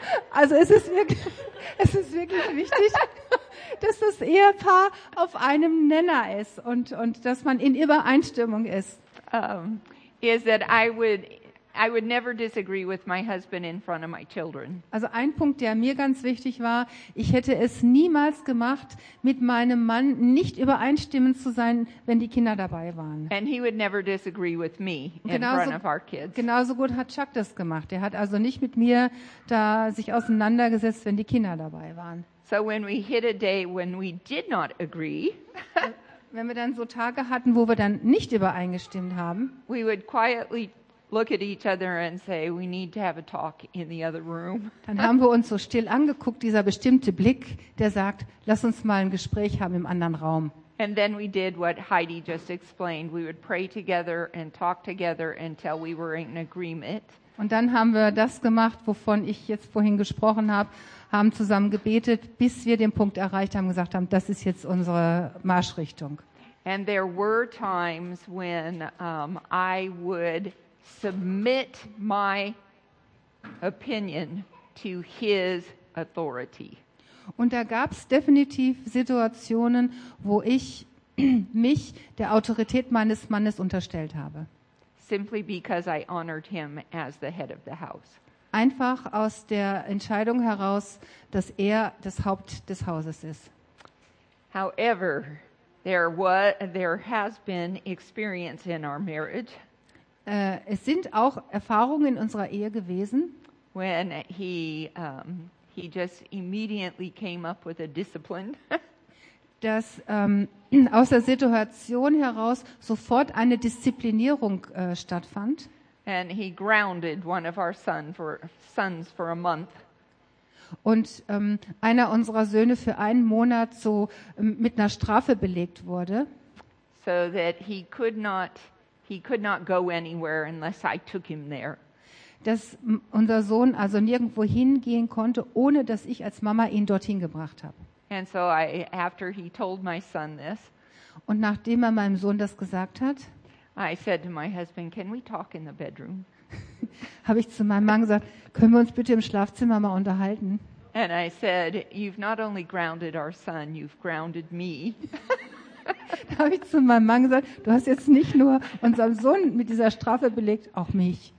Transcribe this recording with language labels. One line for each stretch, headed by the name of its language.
German: Also es ist wirklich wichtig, dass das Ehepaar auf einem Nenner ist und dass man in Übereinstimmung ist.
English: Is that I would never disagree with my husband in front of my children.
German: Also ein Punkt, der mir ganz wichtig war, ich hätte es niemals gemacht, mit meinem Mann nicht übereinstimmend zu sein, wenn die Kinder dabei waren.
English: And he would never disagree with me
German: genauso,
English: in front of our kids.
German: Genauso gut hat Chuck das gemacht. Er hat also nicht mit mir da sich auseinandergesetzt, wenn die Kinder dabei waren.
English: So when we hit a day when we did not agree,
German: wenn wir dann so Tage hatten, wo wir dann nicht übereingestimmt haben,
English: we would quietly look at each other and say, we need to have a talk in the other room.
German: Dann haben wir uns so still angeguckt, dieser bestimmte Blick, der sagt, lass uns mal ein Gespräch haben im anderen Raum.
English: And then we did what Heidi just explained. We would pray together and talk together until we were in agreement.
German: Und dann haben wir das gemacht, wovon ich jetzt vorhin gesprochen habe, haben zusammen gebetet, bis wir den Punkt erreicht haben, gesagt haben, das ist jetzt unsere Marschrichtung.
English: And there were times when I would submit my opinion to his authority.
German: Und da gab es definitiv Situationen, wo ich mich der Autorität meines Mannes unterstellt habe.
English: Simply because I honored him as the head of the house.
German: Einfach aus der Entscheidung heraus, dass er das Haupt des Hauses ist.
English: However, there has been experience in our marriage.
German: Es sind auch Erfahrungen in unserer Ehe gewesen,
English: when he just immediately came up with a discipline,
German: dass aus der Situation heraus sofort eine Disziplinierung stattfand.
English: And he grounded one of our sons for a month.
German: Und einer unserer Söhne für einen Monat so mit einer Strafe belegt wurde.
English: So that he could not go anywhere unless I took him there.
German: Dass unser Sohn also nirgendwo hingehen konnte, ohne dass ich als Mama ihn dorthin gebracht habe.
English: And so I, after he told my son this,
German: und nachdem er meinem Sohn das gesagt hat,
English: I said to my husband, can we talk in the bedroom?
German: Habe ich zu meinem Mann gesagt, können wir uns bitte im Schlafzimmer mal unterhalten?
English: And I said, you've not only grounded our son, you've grounded me.
German: Da habe ich zu meinem Mann gesagt, du hast jetzt nicht nur unseren Sohn mit dieser Strafe belegt, auch mich.